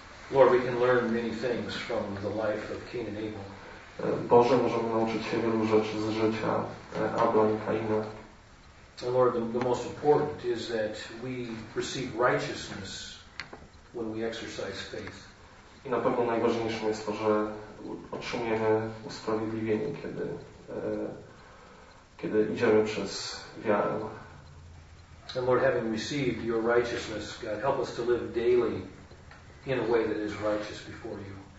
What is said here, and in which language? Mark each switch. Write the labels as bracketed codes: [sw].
[en] Lord, we can learn many things from the life of Cain and Abel. [pl] Boże, możemy nauczyć się wielu rzeczy z życia Abla i Kaina. [en] And Lord, the most important is that we receive righteousness when we exercise faith. [pl] I na pewno najważniejszym jest to, że otrzymujemy usprawiedliwienie, kiedy idziemy przez wiarę. [en] And Lord, having received your righteousness, God, help us to live daily in a way that is righteous before you.